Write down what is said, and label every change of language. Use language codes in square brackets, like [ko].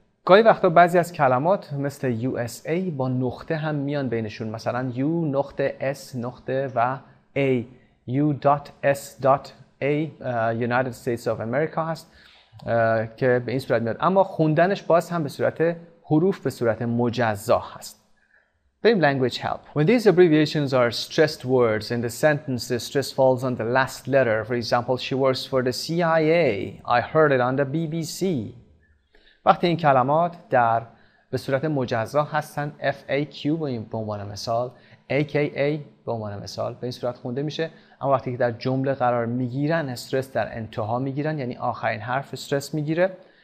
[fa] گاهی وقتا بعضی از کلمات مثل USA با نقطه هم میان بینشون، مثلا U نقطه S نقطه و A، U.S.A [en] United States of America [fa] هست که به این صورت میاد، اما خوندنش باز هم به صورت حروف به صورت مجزا هست. [en] Same language help. When these abbreviations are stressed words in the sentence, the stress falls on the last letter. For example, she works for the CIA. I heard it on the BBC. [fa] وقتی این کلمات در به صورت مجزا هستن، FAQ به عنوان مثال، AKA به عنوان مثال، به این صورت خونده میشه. اما وقتی که در جمله قرار میگیرن، استرس در انتها میگیرن، یعنی آخرین حرف استرس میگیره.